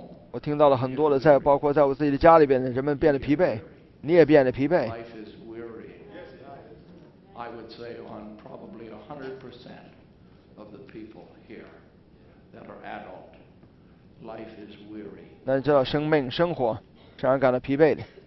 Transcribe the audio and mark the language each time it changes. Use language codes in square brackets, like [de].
[zh] 我听到了很多的，在包括在我自己的家里边，人们变得疲惫，你也变得疲惫。 [en] Life is weary. I would say on probably 100% of the people here that are adult, life is weary. [zh] 那你知道，生命、生活是让人感到疲惫的。